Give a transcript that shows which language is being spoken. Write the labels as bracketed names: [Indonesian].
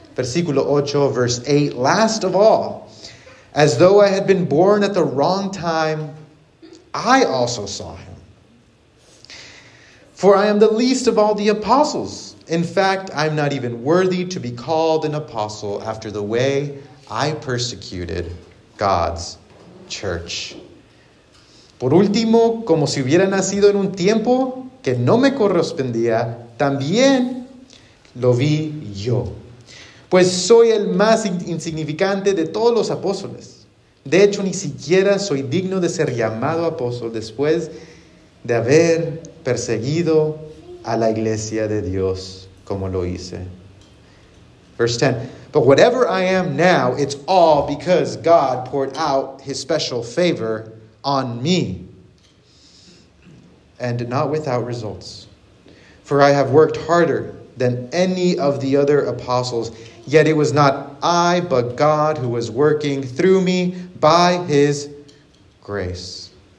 [Spanish] Versículo 8, [English] verse 8, last of all, as though I had been born at the wrong time, I also saw him. For I am the least of all the apostles. In fact, I am not even worthy to be called an apostle after the way I persecuted God's church. [Spanish] Por último, como si hubiera nacido en un tiempo que no me correspondía, también lo vi yo. Pues soy el más insignificante de todos los apóstoles. De hecho, ni siquiera soy digno de ser llamado apóstol después de haber perseguido a la iglesia de Dios como lo hice. [English] Verse 10. But whatever I am now, it's all because God poured out his special favor on me, and not without results. For I have worked harder than any of the other apostles, yet it was not I, but God who was working through me by his grace.